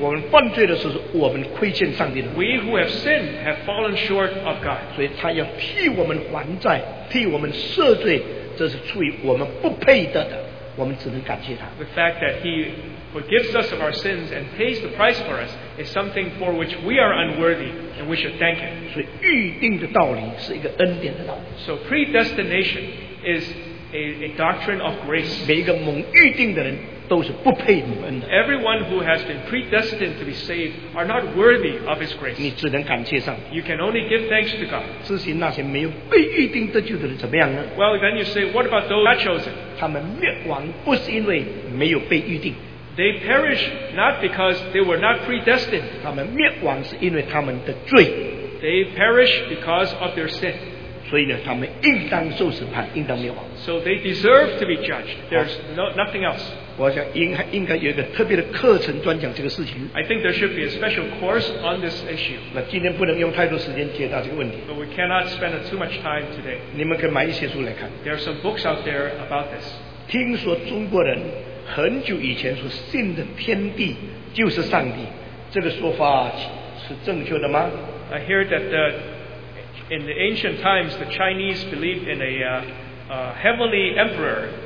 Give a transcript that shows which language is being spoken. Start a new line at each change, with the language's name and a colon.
Chinese: 我们犯罪的时候，我们亏欠上帝的。
English: We who have sinned have fallen short of God.
Chinese: 所以他要替我们还债，替我们赦罪，这是出于我们不配得的，我们只能感谢他。
English: The fact that He forgives us of our sins and pays the price for us is something for which we are unworthy and we should thank Him.
Chinese: 所以预定的道理是一个恩典的道理。
English: So predestination is a doctrine of grace.
Chinese: 每一个蒙预定的人都是不配蒙恩的。
English: Everyone who has been predestined to be saved are not worthy of His grace.
Chinese: 你只能感谢上帝。
English: You can only give thanks to God.
Chinese: 至于那些没有被预定得救的人怎么样呢
English: ？Well, then you say, what about those not chosen?
Chinese: 他们灭亡不是因为没有被预定。
English: They perish not because they were not predestined.
Chinese: 他们灭亡是因为他们的罪。
English: They perish because of their sin.
Chinese: 所以呢，他们应当受审判，应当灭亡。
English: So they deserve to be judged. There's nothing else.
Chinese: 我想应该有一个特别的课程专讲这个事情。
English: I think there should be a special course on this issue.
Chinese: 那今天不能用太多时间解答这个问题。
English: But we cannot spend too much time today.
Chinese: 你们可以买一些书来看。
English: There are some books out there about this.
Chinese: 听说中国人很久以前说信的天地就是上帝，这个说法是正确的吗？
English: I hear that in the ancient times, the Chinese believed in a heavenly emperor.